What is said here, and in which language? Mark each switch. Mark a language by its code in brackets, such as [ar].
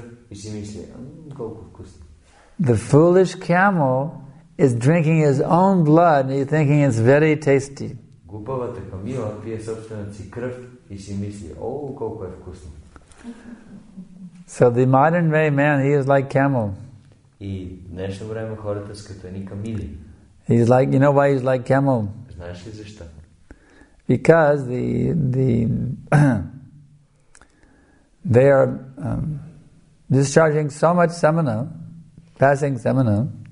[en] The foolish camel is drinking his own blood and he's thinking it's very tasty. [bg] Глупавата камила пие собствената си кръв и си мисли, о, колко е вкусно. [en] So the modern day man, he is like camel. [bg] И днешно време хората са като ни камили. [en] He's like, you know why he's like camel? [bg] Знаеш ли защо? [en] Because the they are discharging so much semana, passing semana.